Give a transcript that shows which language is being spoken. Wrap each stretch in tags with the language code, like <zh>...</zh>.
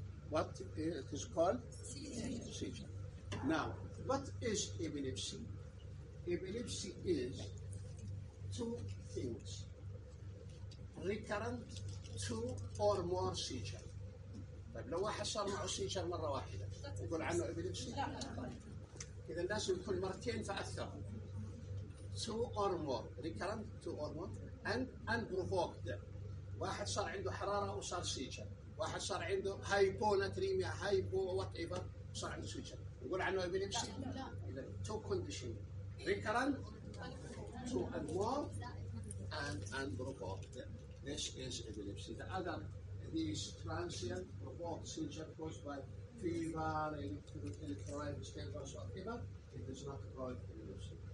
<en>What it is called? Seizure. Now, what is epilepsy? Epilepsy is two things. Recurrent two or more seizure.</en> <ar>طيب لو واحد صار معه seizure مرة واحدة يقول عنه epilepsy؟ لا. إذا لازم يكون مرتين فأثر.</ar> <en>Two or more. Recurrent two or more. And unprovoked.</en> <ar>واحد صار عنده حرارة وصار seizure. واحد صار عنده hyponatremia, hypo, whatever, صار عنده seizure. يقول عنه epilepsy؟ لا.</ar> <en>Two conditions. Recurrent, two and more, and unprovoked. This is epilepsy. The other, these transient, provoked seizure caused by fever, electrolyte, stimulus, whatever, it does not provoke epilepsy.</en>